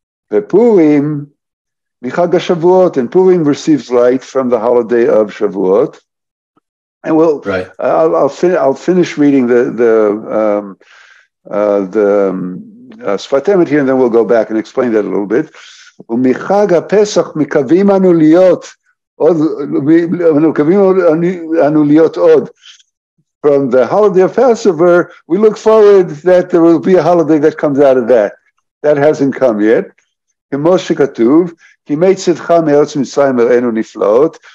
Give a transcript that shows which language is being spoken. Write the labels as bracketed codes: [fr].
[he] V'purim mi'chag ha'shavuot, [en] and Purim receives light from the holiday of Shavuot. And we'll, right. I'll finish reading the Sfatemet here, and then we'll go back and explain that a little bit. [he] ומחג הפסח מקווים אנו להיות עוד, מקווים אנו להיות עוד. [en] From the holiday of Passover, we look forward that there will be a holiday that comes out of that. That hasn't come yet. [he] כמו שכתוב, כי מצדך מארץ מצרים הראינו נפלאות.